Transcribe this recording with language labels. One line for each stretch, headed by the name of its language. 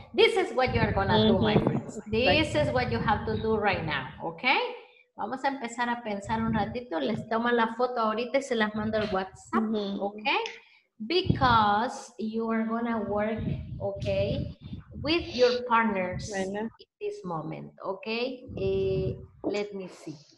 English: This is what you are going to do, my friends. This is what you have to do right now.
Spanish: Okay? Vamos a empezar a pensar un ratito. Les tomo la foto ahorita y se las mando al WhatsApp.
English: Mm-hmm. Okay? Because you are going to work, okay, with your partners in this moment. Okay? Let me see.